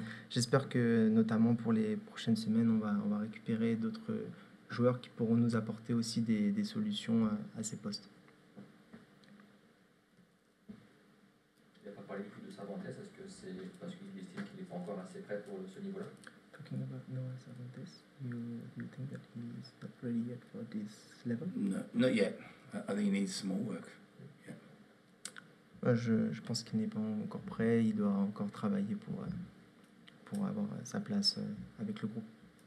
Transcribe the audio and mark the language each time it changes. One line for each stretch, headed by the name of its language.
French: J'espère que, notamment pour les prochaines semaines, on va récupérer d'autres joueurs qui pourront nous apporter aussi des solutions à ces postes. Il n'a pas parlé du tout de Savantes. Est-ce que c'est parce qu'il estime qu'il n'est pas encore assez prêt pour ce niveau-là?
English: Talking about Noah Savantes, you think that he is not ready yet for this level? No, not yet. I think he needs some more work. Yeah.
French: Je pense qu'il n'est pas encore prêt. Il doit encore travailler pour avoir sa place avec le groupe.